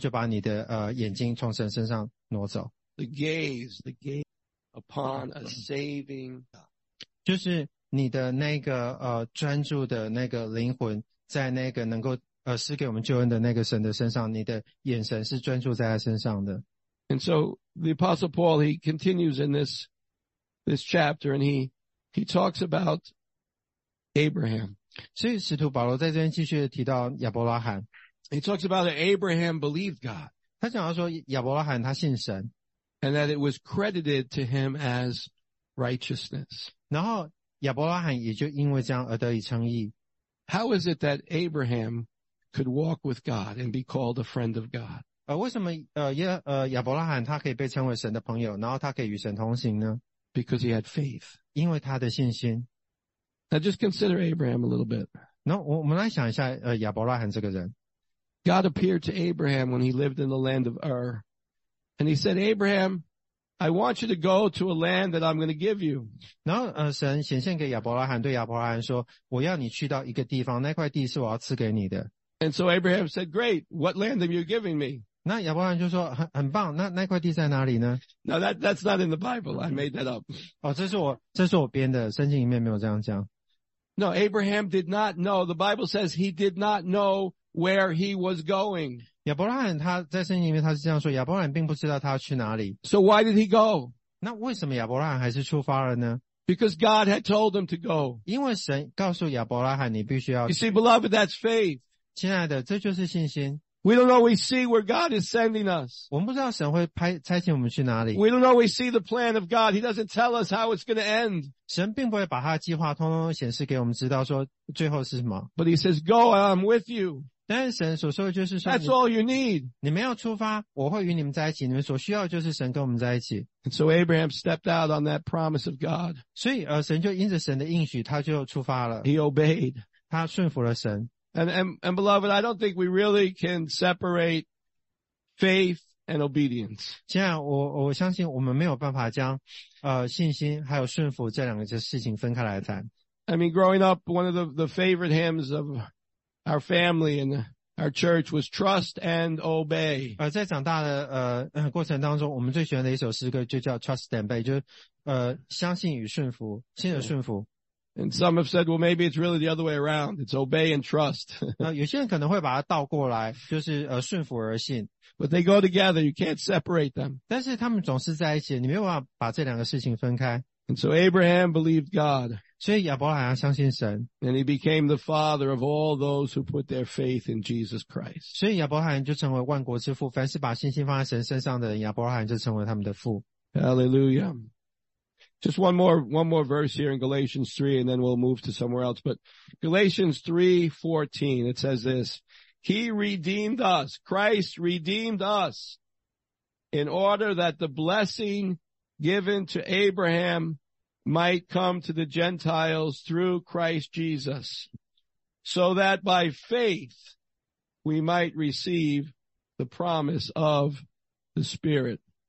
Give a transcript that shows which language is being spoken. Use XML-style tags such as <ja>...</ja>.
<zh>当我们有信心的时候，你对的，你那个想要被拯救的灵魂，你对那个神的专注是全心全意的专注在神身上，你并不是看了一眼，然后就把你的眼睛从神身上挪走。</zh> <en>The gaze upon a saving God.</en> <zh>就是你的那个专注的那个灵魂在那个能够 赐给我们救恩的那个神的身上，你的眼神是专注在他身上的。</zh> <en>And so the Apostle Paul, he continues in this chapter, and he talks about Abraham.</en> <zh>所以使徒保罗在这边继续提到亚伯拉罕。</zh> <en>He talks about that Abraham believed God.</en> <zh>他讲到说亚伯拉罕他信神。</zh> <en>And that it was credited to him as righteousness.</en> <zh>然后亚伯拉罕也就因为这样而得以称义。</zh> <en>How is it that Abraham could walk with God and be called a friend of God?</en> <zh>为什么亚伯拉罕他可以被称为神的朋友，然后他可以与神同行呢?</zh> <en>Because he had faith.</en> <zh>因为他的信心。</zh> <en>Now just consider Abraham a little bit.</en> <zh>那我们来想一下，亚伯拉罕这个人。</zh> <en>God appeared to Abraham when he lived in the land of Ur. And he said, Abraham, I want you to go to a land that I'm going to give you.</en> <zh>然后神显现给亚伯拉罕，对亚伯拉罕说，我要你去到一个地方，那块地是我要赐给你的。</zh> <en>And so Abraham said, great, what land are you giving me?</en> <zh>那亚伯拉罕就说 很棒，那块地在哪里呢？</zh> <en>Now that's not in the Bible, I made that up.</en> <zh>哦，这是我编的，圣经里面没有这样讲。</zh> <en>No, Abraham did not know, the Bible says he did not know where he was going.</en> <zh>亚伯拉罕他在圣经里面他是这样说，亚伯拉罕并不知道他要去哪里。</zh> <en>So why did he go?</en> <zh>那为什么亚伯拉罕还是出发了呢？</zh> <en>Because God had told him to go.</en> <zh>因为神告诉亚伯拉罕你必须要去。</zh> <en>You see, beloved, that's faith.</en> <zh>亲爱的，这就是信心。</zh> <en>We don't always see where God is sending us.</en> <zh>我们不知道神会差遣我们去哪里。</zh> <en>We don't always see the plan of God. He doesn't tell us how it's going to end.</en> <zh>神并不会把他的计划通通显示给我们知道说最后是什么。</zh> <en>But he says, go, I'm with you.</en> <zh>但是神所说的就是说</zh> <en>That's all you need.</en> <zh>你们要出发，我会与你们在一起。你们所需要的就是神跟我们在一起。</zh> <en>And so Abraham stepped out on that promise of God.</en> <zh>所以神就因着神的应许，他就出发了。</zh> <en>He obeyed.</en> <zh>他顺服了神。</zh> <en>And beloved, I don't think we really can separate faith and obedience.</en> <zh>亲爱的，我相信我们没有办法将信心还有顺服这两个事情分开来谈。</zh> <en>I mean, growing up, one of the favorite hymns of our family and our church was Trust and Obey.</en> <zh>在长大的过程当中，我们最喜欢的一首诗歌就叫 Trust and Obey, 就是相信与顺服，信而顺服。Okay.</zh> <en>And some have said, well, maybe it's really the other way around. It's obey and trust.</en> <zh>有些人可能会把它倒过来，就是顺服而信。</zh> <en>But they go together. You can't separate them.</en> <zh>但是他们总是在一起，你没有办法把这两个事情分开。</zh> <en>And so Abraham believed God.</en> <zh>所以亚伯拉罕相信神。</zh> <en>And he became the father of all those who put their faith in Jesus Christ.</en> <zh>所以亚伯拉罕就成为万国之父。凡是把信心放在神身上的人，亚伯拉罕就成为他们的父。</zh> <en>Hallelujah. Just one more verse here in Galatians 3 and then we'll move to somewhere else. But Galatians 3:14, it says this, He redeemed us, Christ redeemed us in order that the blessing given to Abraham might come to the Gentiles through Christ Jesus, so that by faith we might receive the promise of the Spirit.</en>